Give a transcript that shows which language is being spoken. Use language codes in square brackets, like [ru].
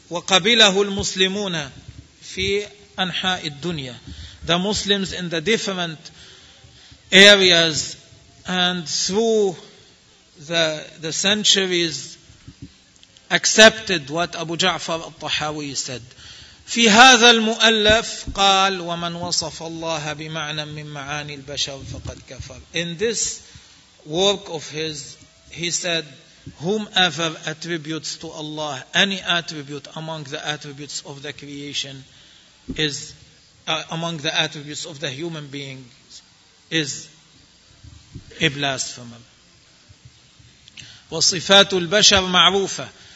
[ar] وقبله المسلمون في أنحاء الدنيا. [en] The Muslims in the different areas and through the centuries accepted what Abu Ja'far al-Tahawi said. [ar] في هذا المؤلف قال ومن وصف الله بمعنى من معاني البشر فقد كفر. [en] In this work of his, he said, whomever attributes to Allah any attribute among the attributes of the creation is among the attributes of the human being is a blasphemer. [ar] وصفات البشر معروفة.